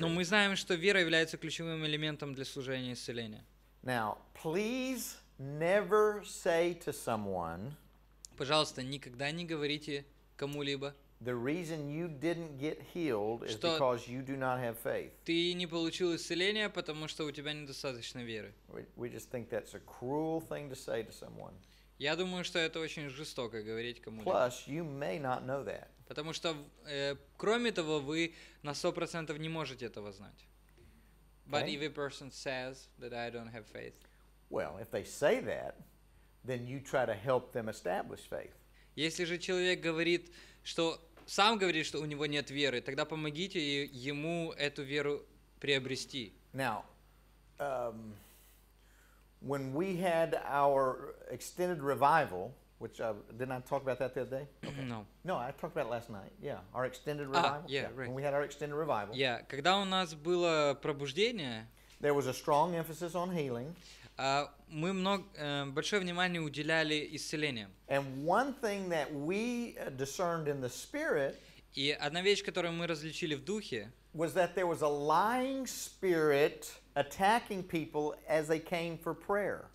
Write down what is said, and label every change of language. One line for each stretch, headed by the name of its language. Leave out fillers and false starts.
Russian: Но мы знаем, что вера является ключевым элементом для служения исцеления.
English: Now, please never say to someone.
Russian: Пожалуйста, никогда не говорите кому-либо.
English: The reason you didn't get healed is because you do not have faith.
Russian: Ты не получил исцеление, потому что у тебя недостаточно веры.
English: We just think that's a cruel thing to say to someone.
Russian: Я думаю, что это очень жестоко говорить кому-то.
English: Plus, you may not know that.
Russian: Потому что, кроме того, вы на 100% не можете этого знать.
English: But if a person says that I don't have faith. Well, if they say that, then you try to help them establish faith.
Russian: Если же человек говорит, что сам говорит, что у него нет веры, тогда помогите ему эту веру приобрести.
English: Now, when we had our extended revival, which didn't I talk about that the other day? No. No, I talked about it last night. Yeah, our extended revival. Right. When we had our extended revival.
Russian: Yeah, когда у нас было пробуждение.
English: There was a strong emphasis on healing.
Russian: Мы большое внимание уделяли исцелениям.
English: And one thing that we discerned in the spirit.
Russian: И одна вещь, которую мы различили в духе.
English: Was that there was a lying spirit attacking people as they came for prayer.